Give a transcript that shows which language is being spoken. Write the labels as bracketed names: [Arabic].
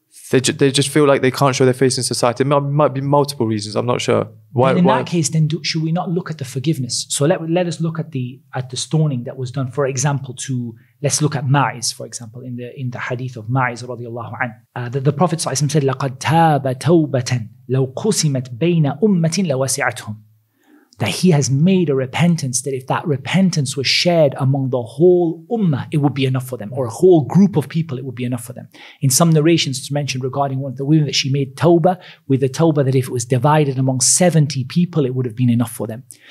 [English] They just feel like they can't show their face in society. It might be multiple reasons. I'm not sure. Then should we not look at the forgiveness? So let us look at the stoning that was done. For example, let's look at Ma'iz, for example, in the hadith of Ma'iz radiallahu anhu. The Prophet said, [Arabic] لَقَدْ تَابَ تَوْبَةً لَوْ قُسِمَتْ بَيْنَ أُمَّةٍ لَوَسِعَتْهُمْ. [English] That he has made a repentance, that if that repentance was shared among the whole ummah, it would be enough for them, or a whole group of people, it would be enough for them. In some narrations, it's mentioned regarding one of the women that she made tawbah, with the tawbah that if it was divided among 70 people, it would have been enough for them.